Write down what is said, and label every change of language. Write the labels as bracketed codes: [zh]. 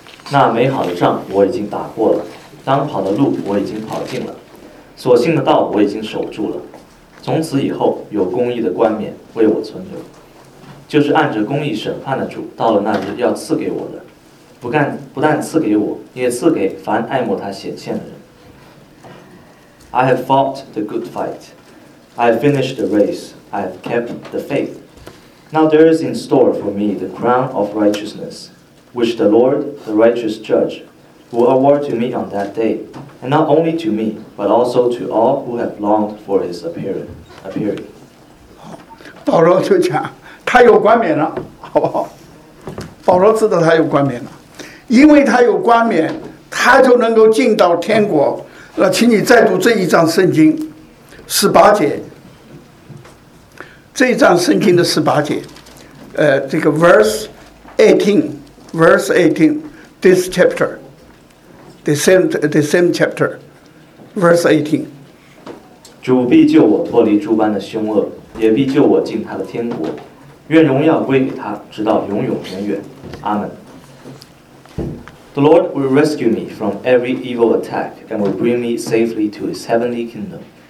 [zh] 那美好的仗我已经打过了，当跑的路我已经跑尽了，所信的道我已经守住了，从此以后有公义的冠冕为我存留，就是按着公义审判的主到了那日要赐给我的，不但赐给我，也赐给凡爱慕他显现的人。 [en] I have fought the good fight, I have finished the race, I have kept the faith. Now there is in store for me the crown of righteousness, which the Lord, the righteous judgeWill award to me on that day, and not only to me, but also to all who have longed for his appearing. [zh] 保罗就讲，他有冠冕了，好不好？保罗知道他有冠冕了，因为他有冠冕，他就能够进到天国。那请你再读这一章圣经，十八节。这一章圣经的十八节，这个 [en] verse 18 this chapter. The same chapter, verse 18. [zh] 主必救我脱离诸般的凶恶，也必救我进他的天国，愿荣耀归给他，直到永永远远。阿门。 [en] The Lord will rescue me from every evil attack and will bring me safely to his heavenly kingdom.